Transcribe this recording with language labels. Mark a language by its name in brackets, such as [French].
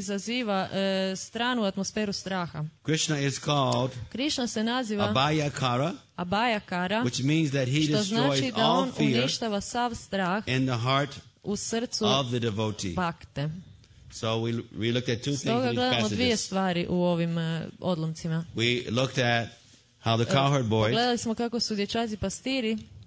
[Croatian] Izaziva stranu atmosferu straha. [English] Krishna is called [Croatian] Krishna se naziva [English] Abhayakara, [Croatian] Abhayakara, [English] which means that he destroys all fear [Croatian] uništava sav strah [English] in the heart [Croatian] u srcu [English] of the devotee. [Croatian] Bhakte. [English] So we looked at two [Croatian] stoga [English] things in these passages. [Croatian] Dvije stvari u ovim odlomcima. [English] We looked at how the cowherd boys [Croatian] pogledali smo kako su dječaci pastiri